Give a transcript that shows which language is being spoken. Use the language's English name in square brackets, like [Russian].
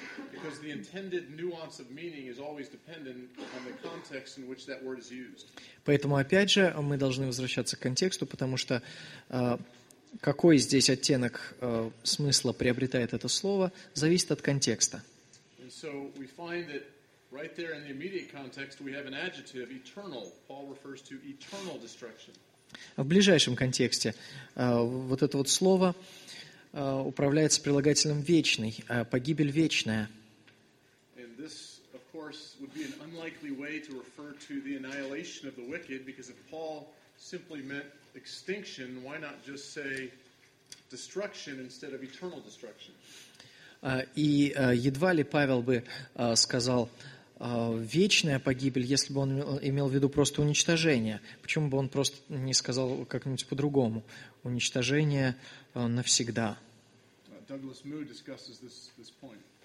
[English] Because the intended nuance of meaning is always dependent on the context in which that word is used. [Russian] Поэтому опять же мы должны возвращаться к контексту, потому что какой здесь оттенок смысла приобретает это слово, зависит от контекста. [English] And so we find that right there in the immediate context we have an adjective, eternal. Paul refers to eternal destruction. [Russian] В ближайшем контексте вот это вот слово управляется прилагательным «вечный», «погибель вечная». [English] And this, of course, would be an unlikely way to refer to the annihilation of the wicked, because if Paul simply meant extinction, why not just say destruction instead of eternal destruction? [Russian] И едва ли Павел бы сказал «вечная погибель», если бы он имел в виду просто уничтожение. Почему бы он просто не сказал как-нибудь по-другому? Уничтожение навсегда. [English] Douglas Moo discusses this point.